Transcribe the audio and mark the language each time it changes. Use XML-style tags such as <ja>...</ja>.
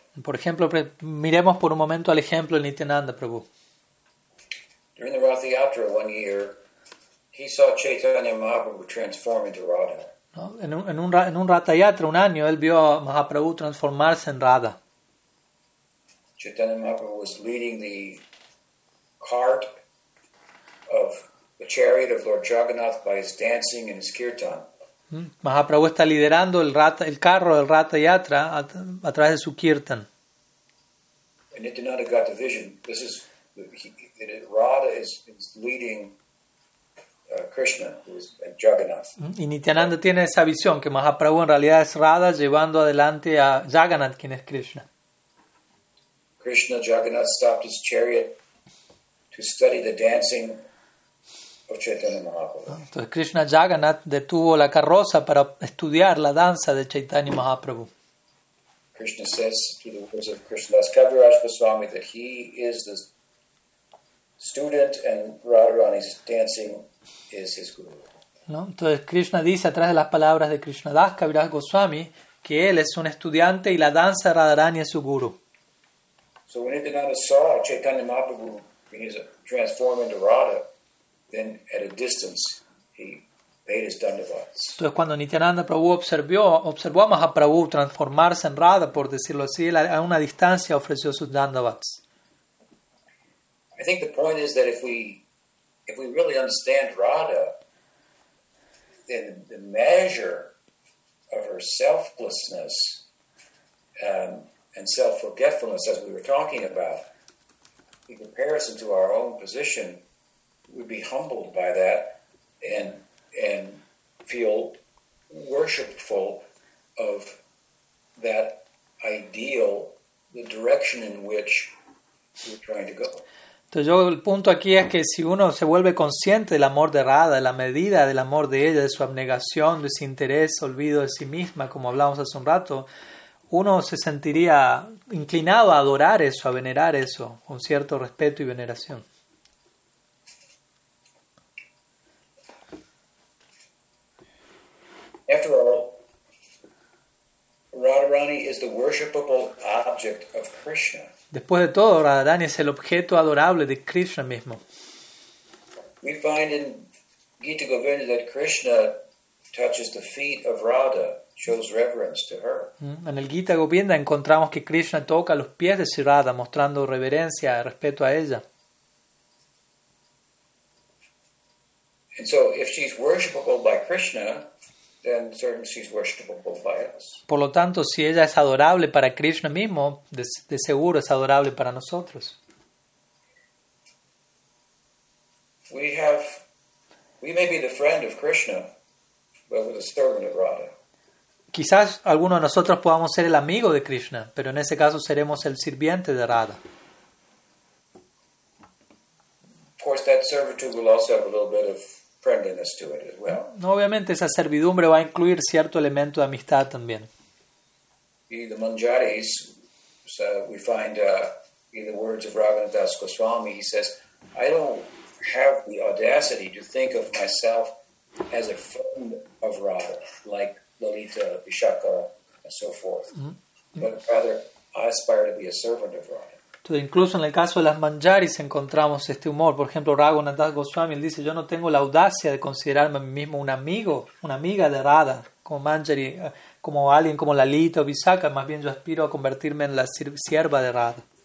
<es>Por ejemplo, miremos por un momento al ejemplo de Nityananda Prabhu.</es> <en>During the Ratha Yatra one year, he saw Chaitanya Mahaprabhu transform into Radha.</en> <es>¿No? En un Ratha Yatra un año, él vio a Mahaprabhu transformarse en Radha.</es> <en>Chaitanya Mahaprabhu was leading the cart of the chariot of Lord Jagannath by his dancing and his kirtan.</en> <es>Mahaprabhu está liderando el carro del Ratha Yatra a través de su kirtan.</es> <en>And Nityananda got the vision. This is Radha is leading Krishna, who is Jagannath.</en> <es>Y Nityananda tiene esa visión que Mahaprabhu en realidad es Radha llevando adelante a Jagannath, quien es Krishna.</es> <en>Krishna Jagannath stopped his chariot to study the dancing.</en> <es>Entonces Krishna Jagannath detuvo la carroza para estudiar la danza de Chaitanya Mahaprabhu.</es> <en>Krishna says to the words of Krishnadas Kaviraj Goswami that he is the student and Radharani's dancing is his guru.</en> <es>¿No? Entonces Krishna dice a través de las palabras de Krishnadas Kaviraj Goswami que él es un estudiante y la danza de Radharani es su guru.</es> <en>So when Nityananda saw Chaitanya Mahaprabhu transform into Radha, then at a distance he</en> <es>Entonces cuando Nityananda Prabhu observó a Mahaprabhu transformarse en Radha, por decirlo así, él a una distancia ofreció sus dandavats.</es> <en>I think the point is that if we really understand Radha, then the measure of her selflessness and self-forgetfulness, as we were talking about, in comparison to our own position, we'd be humbled by that and feel worshipful of that ideal, the direction in which we're trying to go.</en> <es>Entonces yo, el punto aquí es que si uno se vuelve consciente del amor de Radha, de la medida del amor de ella, de su abnegación, de su interés, olvido de sí misma, como hablamos hace un rato, uno se sentiría inclinado a adorar eso, a venerar eso, con cierto respeto y veneración.</es> <en>After all, Radharani is the worshipable object of Krishna.</en> <es>Después de todo, Radharani es el objeto adorable de Krishna mismo.</es> <en>We find in Gita Govinda that Krishna touches the feet of Radha, shows reverence to her.</en> <es>En el Gita Govinda encontramos que Krishna toca los pies de Radha, mostrando reverencia y respeto a ella.</es> <en>And so, if she's worshipable by Krishna, then certainly she's worshipable by us.</en> <es>Por lo tanto, si ella es adorable para Krishna mismo, de seguro es adorable para nosotros.</es> <en>We may be the friend of Krishna, but we're the servant of Radha.</en> <es>Quizás alguno de nosotros podamos ser el amigo de Krishna, pero en ese caso seremos el sirviente de Radha.</es> <en>Of course, that servitude will also have a little bit of friendliness to it as well.</en> <es>No, obviamente esa servidumbre va a incluir cierto elemento de amistad también.</es> <en>In the Manjaris, so we find in the words of Raghunathas Goswami, he says, "I don't have the audacity to think of myself as a friend of Radha, like Lalita, Vishaka, and so forth, but rather I aspire to be a servant of Radha."</en> <es>Entonces, incluso en el caso de las Manjaris encontramos este humor. Por ejemplo, Raghunathas Goswami dice, yo no tengo la audacia de considerarme a mí mismo un amigo, una amiga de Radha, como Manjari, como alguien como Lalita o Visakha. Más bien yo aspiro a convertirme en la sierva de Radha.</es>